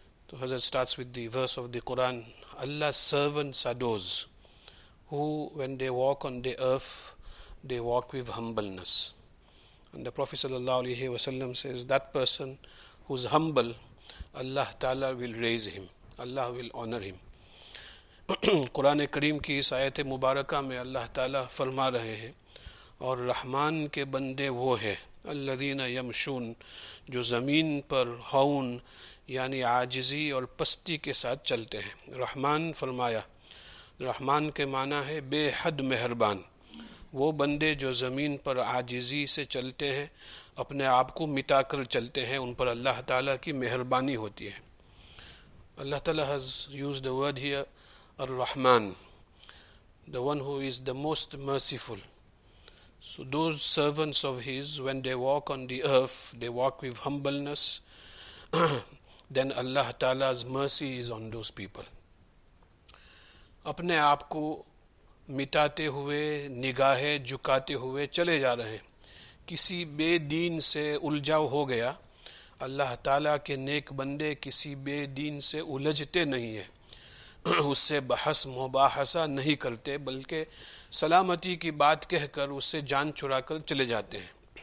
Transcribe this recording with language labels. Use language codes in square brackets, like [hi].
[en] So Hazrat starts with the verse of the Quran, Allah's servants are those who, when they walk on the earth, they walk with humbleness. And the Prophet sallallahu alaihi wasallam says, that person who's humble, Allah Ta'ala will raise him, Allah will honor him. [ur] قرآن کریم کی اس آیت مبارکہ میں اللہ تعالیٰ فرما رہے ہیں اور رحمان کے بندے وہ ہے [ar] الذین یمشون [ur] جو زمین پر ہون یعنی عاجزی اور پستی کے ساتھ چلتے ہیں۔ رحمان فرمایا، رحمان کے معنی ہے بے حد مہربان، وہ بندے جو زمین پر عاجزی سے چلتے ہیں، اپنے آپ کو مٹا کر چلتے ہیں، ان پر اللہ تعالیٰ کی مہربانی ہوتی ہے۔ اللہ تعالیٰ [en] has used the word here, Ar-Rahman, the one who is the most merciful. So those servants of his, when they walk on the earth, they walk with humbleness, then Allah Ta'ala's mercy is on those people. [ur] اپنے آپ کو مٹاتے ہوئے، نگاہیں جھکاتے ہوئے چلے جا رہے ہیں، کسی بے دین سے الجھاؤ ہو گیا، اللہ تعالیٰ کے نیک بندے کسی بے دین سے الجھتے نہیں ہیں، اس سے بحث مباحثہ نہیں کرتے، بلکہ سلامتی کی بات کہہ کر اس سے جان چھڑا کر چلے جاتے ہیں۔